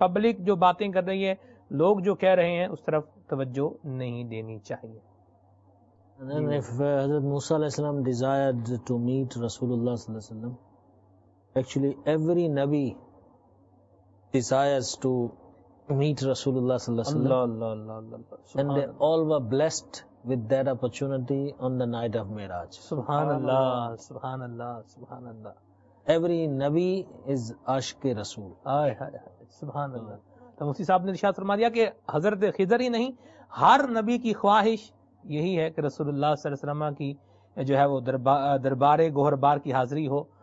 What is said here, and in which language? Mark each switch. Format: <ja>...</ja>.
<ur>Public جو باتیں کر رہی ہے, لوگ جو کہہ رہے ہیں, اس طرف توجہ نہیں دینی چاہیے.</ur> <en>And then if حضرت موسیٰ علیہ السلام desired to meet رسول اللہ صلی اللہ علیہ وسلم, actually every نبی desires to meet رسول اللہ صلی اللہ علیہ وسلم.</en> <ar>اللہ اللہ اللہ اللہ.</ar> <en>And they all were blessed with that opportunity on the night of Miraj.</en> <ar>سبحان اللہ سبحان اللہ سبحان اللہ.</ar> <en>Every نبی is عاشق رسول.</en> <ur>آئے آئے آئے. سبحان اللہ. تو مفتی صاحب نے ارشاد فرما دیا کہ حضرت خضر ہی نہیں, ہر نبی کی خواہش یہی ہے کہ رسول اللہ صلی اللہ علیہ وسلم کی جو ہے وہ دربار گوہر بار کی حاضری ہو.</ur>